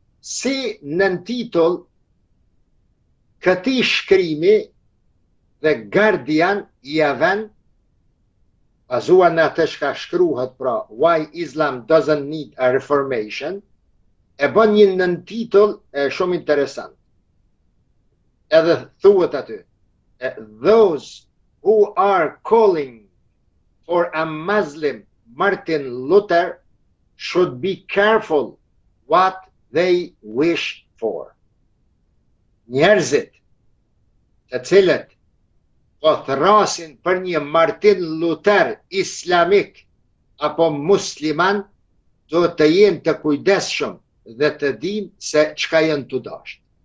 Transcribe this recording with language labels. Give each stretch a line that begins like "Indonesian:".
Albanian: Si nën titull këtij shkrimi The Guardian i avën bazuar në atë çka shkruhet pra
English: Why Islam Doesn't Need a Reformation
Albanian: e bën një nën titull shumë interesant. Edhe thuhet aty
English: those who are calling for a Muslim Martin Luther should be careful what they wish for.
Albanian: Njerëzit të cilët po thrasin për një Martin Luther islamik apo musliman do të jenë të kujdesshëm dhe të dinë se çka janë të dashur.